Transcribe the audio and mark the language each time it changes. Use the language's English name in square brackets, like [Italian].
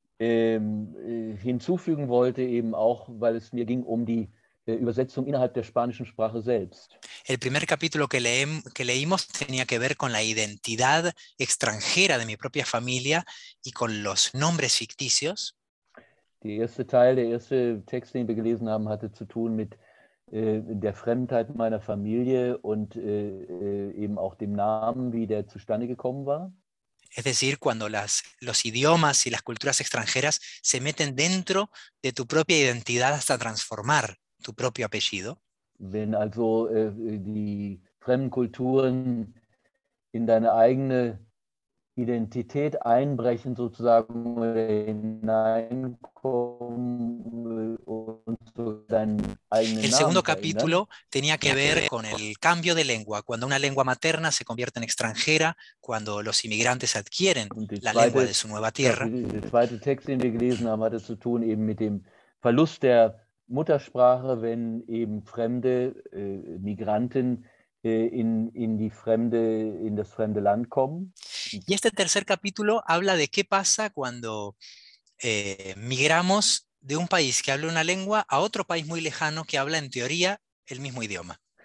[German] Hinzufügen wollte eben auch, weil es mir ging um die Übersetzung innerhalb der spanischen Sprache selbst. [Spanish] El primer capítulo que leímos tenía que ver con la identidad extranjera de mi propia familia y con los nombres ficticios. [German] Der erste Teil, der erste Text, den wir gelesen haben, hatte zu tun mit der Fremdheit meiner Familie und eben auch dem Namen, wie der zustande gekommen war. [Spanish] Es decir, cuando los idiomas y las culturas extranjeras se meten dentro de tu propia identidad hasta transformar tu propio apellido. [German] Wenn also die fremden Kulturen in deine eigene Identität einbrechen, sozusagen, hineinkommen und so deinen eigenen Namen. [Spanish] El segundo capítulo tenía que ver con el cambio de lengua, cuando una lengua materna se convierte en extranjera, cuando los inmigrantes adquieren la lengua de su nueva tierra. [German] Der zweite Text, den wir gelesen haben, hatte zu tun eben mit dem Verlust der Muttersprache, wenn eben fremde Migranten in das fremde Land kommen. [Spanish] Y este tercer capítulo habla de qué pasa cuando migramos de un país que habla una lengua a otro país muy lejano que habla en teoría el mismo idioma.